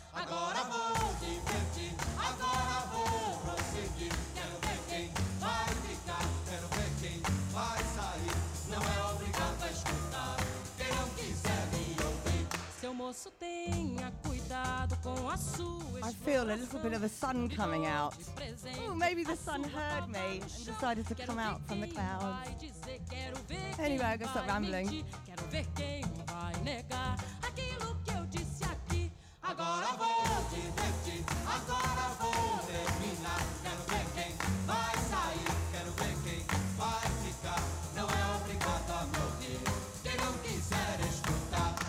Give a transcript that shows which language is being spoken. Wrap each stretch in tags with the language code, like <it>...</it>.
<pt>Agora vou divertir, agora vou prosseguir. Quero ver quem vai ficar, quero ver quem vai sair. Não é obrigado a escutar quem não quiser me ouvir. Seu moço tenha cuidado com a sua.</pt> <en>I feel a little bit of the sun coming out. Oh, maybe the sun heard me and decided to come out from the clouds. Anyway, I gotta stop rambling.</en> <pt>Quero ver quem vai negar aquilo que eu disse aqui. agora vou te divertir, agora vou terminar. Quero ver quem vai sair, quero ver quem vai ficar. Não é obrigado a morrer quem não quiser escutar.</pt>